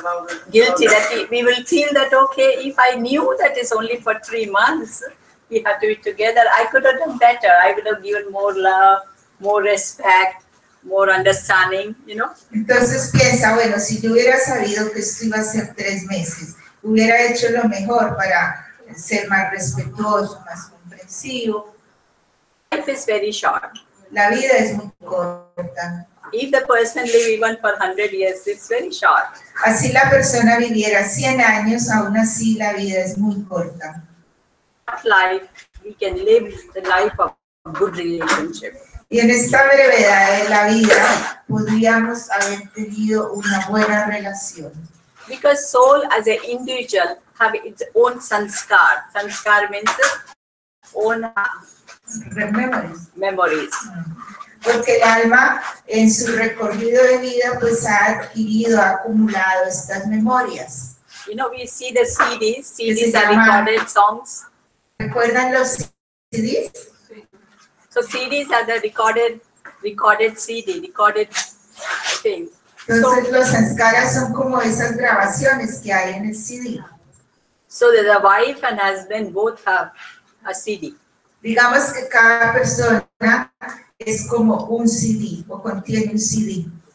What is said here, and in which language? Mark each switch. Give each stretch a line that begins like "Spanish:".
English: Probably she or he feel guilty about it. Guilty, that we will feel that, okay, if I knew that it's only for 3 months, we have to be together, I could have done better. I would have given more love, more respect, more understanding, you know.
Spanish: Entonces piensa, bueno, si yo hubiera sabido que esto iba a ser 3 meses, hubiera hecho lo mejor para ser más respetuoso, más comprensivo.
English: Life is very short.
Spanish: La vida es muy corta.
English: If the person live even for 100 years, it's very short.
Spanish: Así la persona viviera 100 años, aún así la vida es muy corta.
English: Life, we can live the life of a good relationship.
Spanish: Y en esta brevedad de la vida, podríamos haber tenido una buena relación.
English: Because soul as an individual have its own sanskar. Sanskar means own memories.
Spanish: Porque el alma en su recorrido de vida pues ha adquirido, ha acumulado estas memorias.
English: You know, we see the CDs. CDs are recorded songs.
Spanish: ¿Recuerdan los CDs?
English: So CDs are the recorded CD, recorded thing.
Spanish: Entonces los sanskaras son como esas grabaciones que hay en el CD.
English: So the wife and husband both have a CD.
Spanish: Digamos que cada persona es como un CD o contiene un CD.